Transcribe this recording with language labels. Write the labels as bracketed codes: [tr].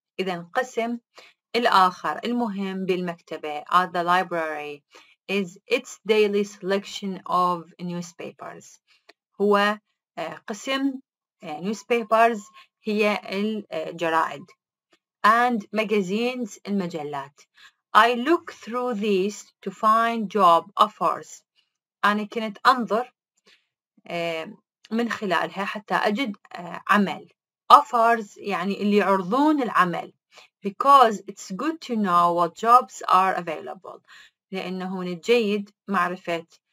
[ar] إذن قسم الآخر المهم بالمكتبة [en] at the library is its daily selection of newspapers. [ar] هو قسم newspapers هي الجرائد [en] and magazines [ar] المجلات. [en] I look through these to find job offers. [ar] أنا كنت أنظر من خلالها حتى أجد عمل offers يعني اللي يعرضون العمل [en] because it's good to know what jobs are available [ar] لأنه من الجيد معرفة